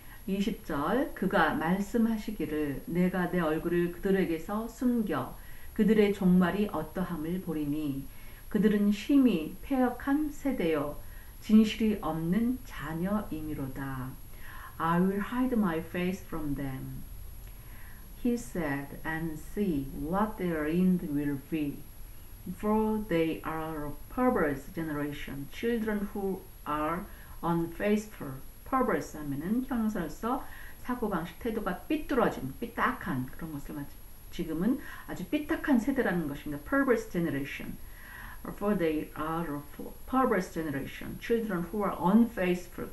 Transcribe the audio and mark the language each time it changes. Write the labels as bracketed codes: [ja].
[ko] 20절, 그가 말씀하시기를 내가 내 얼굴을 그들에게서 숨겨 그들의 종말이 어떠함을 보리니 그들은 심히 패역한 세대요 진실이 없는 자녀이미로다. [en] I will hide my face from them. He said, and see what their end will be. For they are a perverse generation, children who are unfaithful. [ko] Perverse 하면은 형용사로서 사고방식, 태도가 삐뚤어진, 삐딱한 그런 것을 말하죠. 지금은 아주 삐딱한 세대라는 것입니다. [en] Perverse generation. For they are a perverse generation, children who are unfaithful.